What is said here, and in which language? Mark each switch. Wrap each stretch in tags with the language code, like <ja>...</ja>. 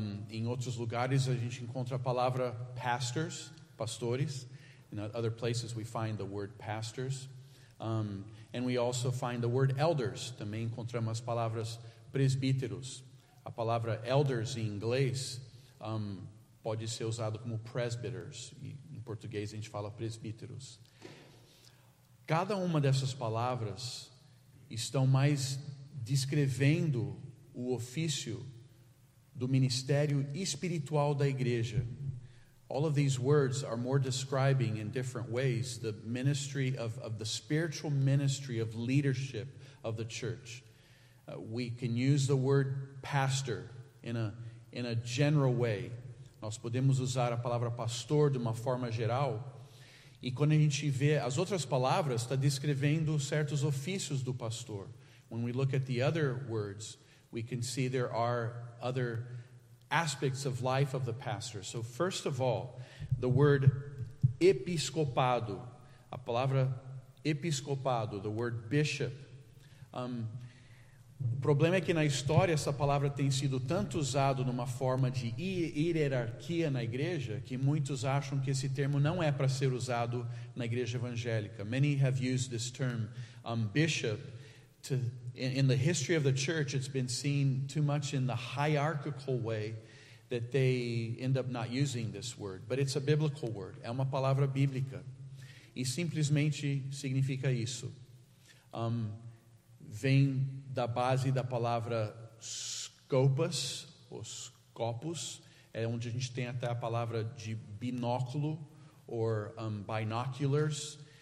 <pt>Em outros lugares a gente encontra a palavra pastors, pastores.</pt> <en>In other places we find the word pastors. And we also find the word elders.</en> <pt>Também encontramos as palavras presbíteros. A palavra elders em inglês pode ser usada como presbyters. Em português a gente fala presbíteros. Cada uma dessas palavras estão mais descrevendo o ofício do ministério espiritual da igreja.</pt> <en>All of these words are more describing in different ways the ministry of the spiritual ministry of leadership of the church. We can use the word pastor in a general way.</en> <pt>Nós podemos usar a palavra pastor de uma forma geral. E quando a gente vê as outras palavras, está descrevendo certos ofícios do pastor.</pt> <en>When we look at the other words, we can see there are other aspects of life of the pastor. So first of all, the word episcopado,</en> <pt>a palavra episcopado,</pt> <en>the word bishop.</en> <pt>O problema é que na história essa palavra tem sido tanto usado numa forma de hierarquia na igreja que muitos acham que esse termo não é para ser usado na igreja evangélica.</pt> <en>Many have used this term bishop to in the history of the church. It's been seen too much in the hierarchical way that they end up not using this word, but it's a biblical word.</en> <pt>É uma palavra bíblica e simplesmente significa isso. Vem da base da palavra scopus, ou scopus, é onde a gente tem até a palavra de binóculo,</pt> <en>or binoculars.</en>